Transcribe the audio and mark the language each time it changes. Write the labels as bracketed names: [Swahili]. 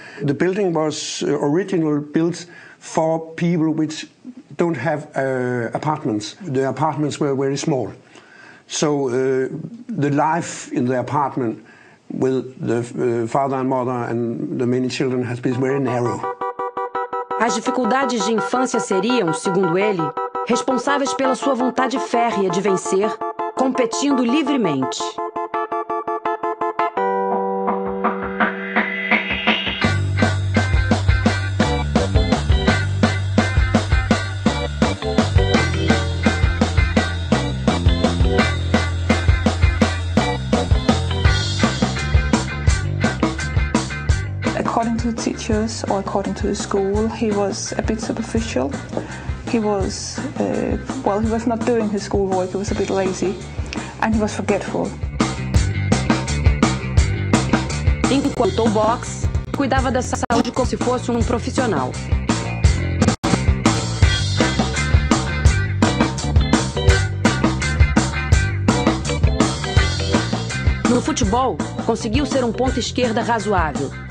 [English] The building was originally built for people which don't have apartments. The apartments were very small. So the life in the apartment with the father and mother and the many children has been very narrow. [Portuguese] As dificuldades de infância seriam, segundo ele, responsáveis pela sua vontade férrea de vencer, competindo livremente. [English] Teachers or according to the school, he was a bit superficial. He was, he was not doing his schoolwork, he was a bit lazy, and he was forgetful. [Portuguese] Enquanto o box, cuidava da saúde como se fosse profissional. No futebol, conseguiu ser ponta esquerda razoável.